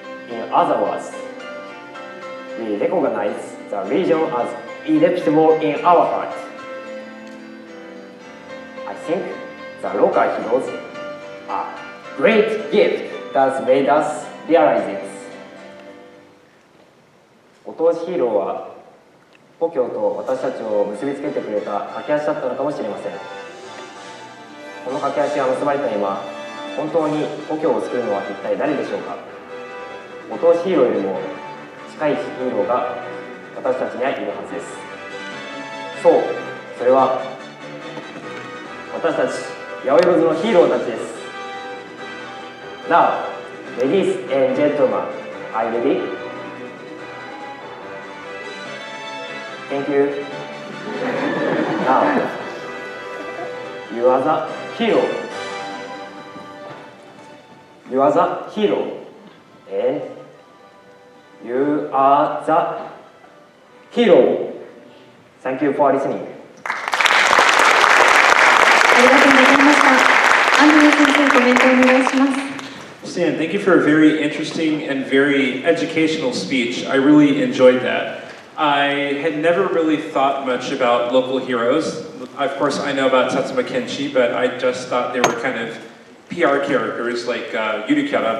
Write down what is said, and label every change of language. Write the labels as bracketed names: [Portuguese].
[English] In other words, we recognize the region as inevitable in our heart. I think the local heroes are a great gift that's made us realize this. [Japanese] ご当地ヒーローは故郷と私たちを結びつけてくれた架け橋だったのかもしれません。この架け橋が結ばれた今、本当に故郷を救うのは一体誰でしょうか。ご当地ヒーローよりも近いヒーローが私たちにはいるはずです。そう、それは私たち、ヤオイロズのヒーローたちです。 [English] Now, ladies and gentlemen, are you ready? Thank you. Now, you are the hero. You are the hero. And you are the hero. Thank you for listening. [Japanese] ありがとうございました。アンドレ先生、コメントお願いします。 [English] Stan, thank you for a very interesting and very educational speech. I really enjoyed that. I had never really thought much about local heroes. Of course, I know about Satsuma Kenshi, but I just thought they were kind of PR characters like Yurikara.